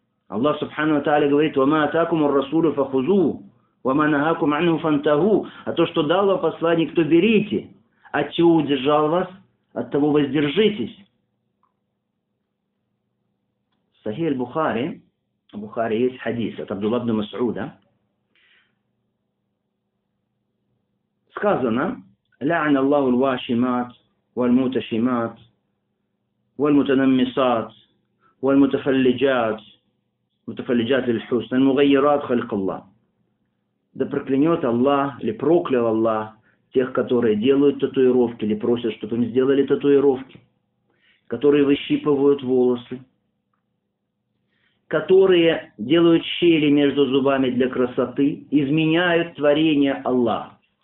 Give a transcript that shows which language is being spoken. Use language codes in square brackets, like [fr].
[ru] Аллах Субхану ва Тааля говорит: [ar] «Вама атакум ар-расулу фахузу, вама нахакум анху фантаху». [ru] А то, что дал вам посланник, то берите. От чего удержал вас, от того воздержитесь. Сахих аль-Бухари, в Бухари есть хадис от Абдулла ибн Мас'уда. Сказано: [ar] «Ля'на Аллаху аль-вашимат валь-муташимат والمتنمصات والمتفلجات متفلجات للحسن المغيرات خلق الله. [ru] Да проклянет Аллах, или проклял Аллах тех, которые делают татуировки, или просят, чтобы им сделали татуировки, которые выщипывают волосы, которые делают щели между зубами для красоты, изменяют творение Аллаха.